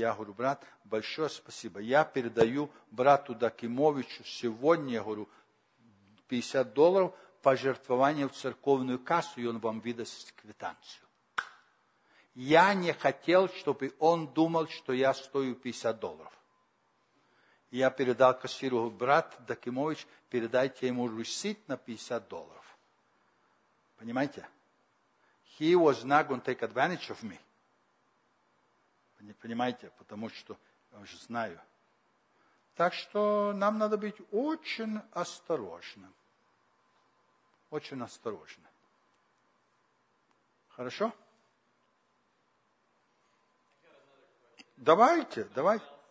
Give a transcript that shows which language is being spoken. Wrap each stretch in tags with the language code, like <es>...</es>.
<ru>Я говорю, брат, большое спасибо. Я передаю брату Дакимовичу сегодня, говорю, $50 пожертвование в церковную кассу, и он вам выдаст квитанцию. Я не хотел, чтобы он думал, что я стою $50. Я передал кассиру, брат Дакимович, передайте ему ресит на $50. Понимаете?</ru> <en>He was not going to take advantage of me.</en> <ru>Понимаете? Потому что я уже знаю. Так что нам надо быть очень осторожным. Очень осторожным. Хорошо? Давайте, давайте.</ru>